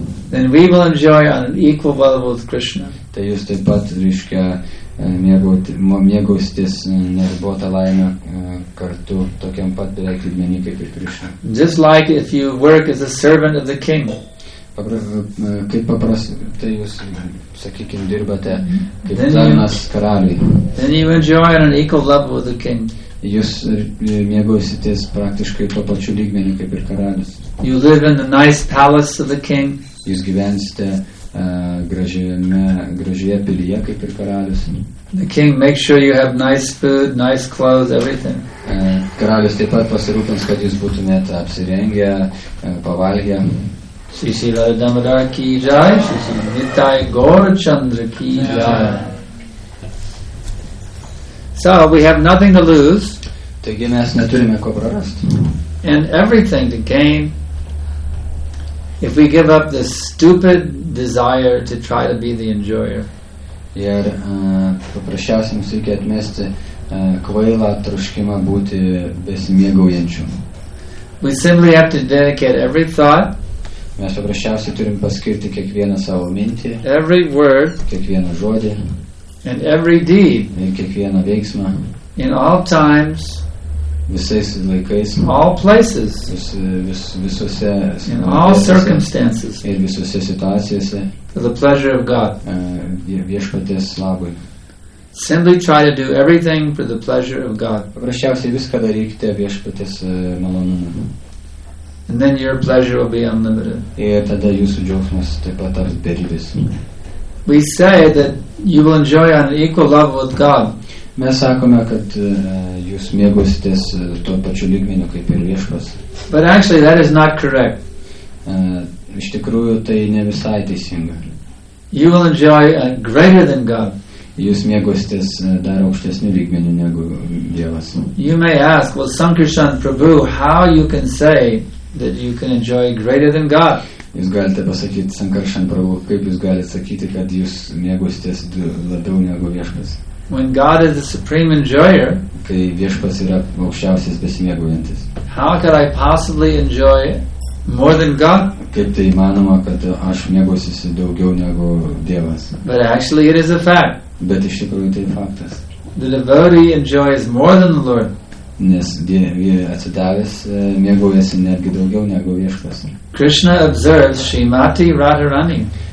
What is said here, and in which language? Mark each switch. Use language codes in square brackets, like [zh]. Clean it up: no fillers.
[en] then we will enjoy on an equal level with Krishna. [lt] Tai jūs taip pat, reiškia, mėgaustis neribotą laimę kartu tokiam pat beveik lygmenį kaip ir Krishna. [en] Just like if you work as a servant of the king. [lt] Kaip paprastai jūs, sakykim, dirbate kaip tarnas karaliui. [en] Then you enjoy on an equal level with the king. [lt] Jūs mėgausitės praktiškai tuo pačiu lygmeniu kaip ir karalius. [en] You live in the nice palace of the king. [lt] Jūs gyvensite gražioje pilyje kaip ir karalius. [en] The king makes sure you have nice food, nice clothes, everything. [lt] Karalius taip pat pasirūpins, kad jūs būtumėte apsirengę, pavalgę. [hi] Srisila Damodara ki jai, Srisila Nitai Gaurachandra ki jai. [en] So we have nothing to lose. [lt] Taigi mes neturime ko prarasti. [en] And everything to gain. If we give up this stupid desire to try to be the enjoyer. [lt] Ir paprasčiausiai mums reikia atmesti kvailą troškimą būti besimėgaujančiu. [en] We simply have to dedicate every thought. [lt] Mes paprasčiausiai turim paskirti kiekvieną savo mintį. [en] Every word. [lt] Kiekvieną žodį. [en] And every deed. [lt] Ir kiekvieną veiksmą. [en] In all times. [lt] Visais laikais. [en] All places. [lt] Visose. [en] In all circumstances. [lt] Ir visose situacijose. [en] For the pleasure of God. [lt] Viešpaties labui. [en] Simply try to do everything for the pleasure of God. [lt] Paprasčiausiai viską darykite viešpaties malonumui. [en] And then your pleasure will be unlimited. [lt] Ir tada jūsų džiaugsmas taip pat ar beribis. [en] We say that you will enjoy on an equal level with God. [lt] Mes sakome, kad jūs mėgausitės tuo pačiu lygmeniu kaip ir viešpas. [en] But actually that is not correct. [lt] Iš tikrųjų tai ne visai teisinga. [en] You will enjoy greater than God. [lt] Jūs mėgausitės dar aukštesniu lygmeniu negu Dievas. [en] You may ask, well, Sankirtan Prabhu, how you can say that you can enjoy greater than God? [lt] Jūs galite pasakyti Sankaršan Prabhu, kaip jūs galite sakyti, kad jūs mėgausitės labiau negu viešpas. [en] When God is the supreme enjoyer, [lt] kai viešpas yra aukščiausias besimėgaujantis. [en] How could I possibly enjoy more than God? [lt] Kaip tai įmanoma, kad aš mėgausiuosi daugiau negu Dievas. [en] But actually it is a fact. [lt] Bet iš tikrųjų tai faktas. [en] The devotee enjoys more than the Lord. [lt] Nes atsidavęs mėgaujasi netgi daugiau negu viešpas. [en] Krishna observes Srimati Radharani.